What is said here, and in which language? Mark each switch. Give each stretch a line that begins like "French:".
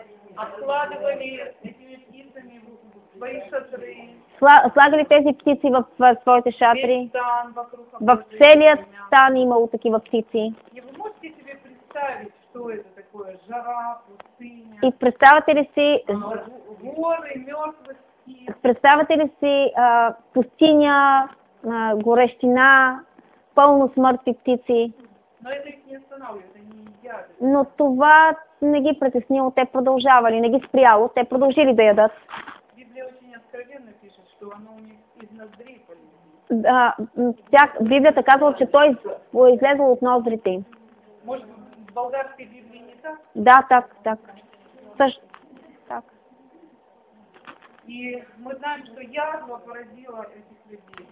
Russian: Откладывали этими птицами в свои шатры.
Bulgarian: Слагали тези птици в своите шатри. В целият стан имало такива птици.
Russian: И вы можете себе представить, что это такое? Жара, пустыня.
Bulgarian: И представите ли си...
Russian: Горы, мертвые птицы.
Bulgarian: Представите ли си пустиня, горещина, пълно смъртни птици.
Russian: Но это их не останавливает, они едят.
Bulgarian: Но това не ги притеснило, те продължавали, не ги спряло, те продължили да ядат.
Russian: Библия очень откровенно пишет, что оно у них из ноздрей полезло.
Bulgarian: Да, Библията казва, че той излезло от ноздрите им.
Russian: Может, в болгарской Библии не так? Да, так. Так. И мы знаем, что язва поразила этих людей.